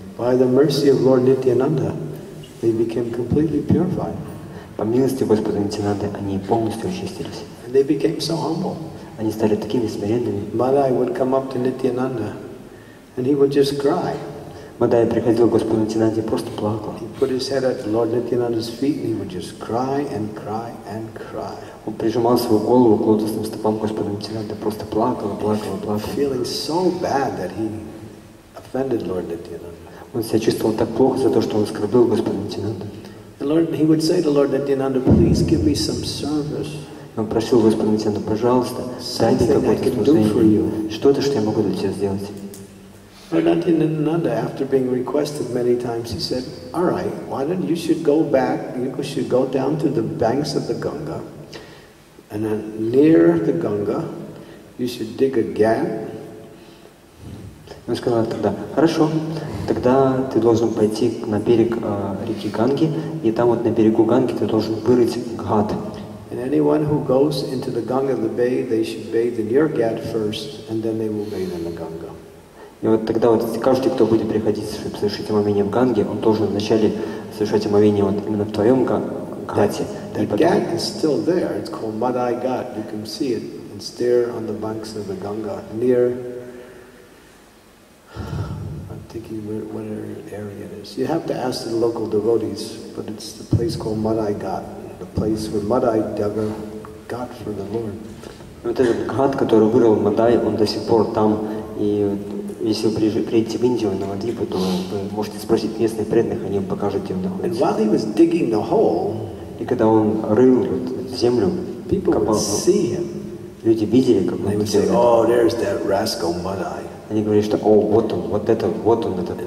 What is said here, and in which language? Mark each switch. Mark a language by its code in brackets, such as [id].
[en] By the mercy of Lord Nityananda, they became completely purified. [ru] По милости Господа Нитянанды, они полностью очистились. [en] And they became so humble. [ru] Они стали такими смиренными. [en] Madai would come up to Nityananda, and he would just cry. [ru] Madai приходил к Господу Нитинанде и просто плакал. [en] He put his head at Lord Nityananda's feet, and he would just cry and cry and cry. [ru] Он прижимал свою голову к лотосным стопам Господа Нитинанды, просто плакал, плакал, плакал. [en] Feeling so bad that he offended Lord Nityananda. [ru] Он себя чувствовал так плохо за то, что он оскорбил Господа Нитинанду. [en] He would say to Lord Nityananda, please give me some service. [ru] Он просил Господа Нитинанду, пожалуйста, дай мне какое-то служение, что-то, что я могу для тебя сделать. [en] Lord Nityananda, after being requested many times, he said, all right, why don't you should go down to the banks of the Ganga. And then near the Ganga, you should dig a gap. [ru] Он сказал тогда, хорошо, тогда ты должен пойти на берег реки Ганги, и там вот на берегу Ганги ты должен вырыть гад. [en] And anyone who goes into the Ganga, the bay, they should bathe in your ghat first, and then they will bathe in the Ganga. [ru] И вот тогда вот каждый, кто будет приходить, чтобы совершить омовение в Ганге, он должен вначале совершать омовение вот именно в твоем гхате. [en] The ghat is still there. It's called Madai Ghat. You can see it. It's there on the banks of the Ganga near. I'm thinking what area it is. You have to ask the local devotees, but it's the place called Madai Ghat. The place where Madai dug a ghat for the Lord. [ru] Вот этот ghat, который вырыл Мадай, он до сих пор там. И если вы приедете в Индию на Мадхипу, то вы можете спросить местных преданных, они вам покажут, где он находится. [en] And while he was digging the hole, [ru] и когда он рыл вот землю, [en] people [ru] копал, [en] would see him. [ru] Люди видели, как он делает. [en] They would say, "Oh, there's that rascal Madai." [ru] Они говорили, что, о, вот он, вот это, вот он, этот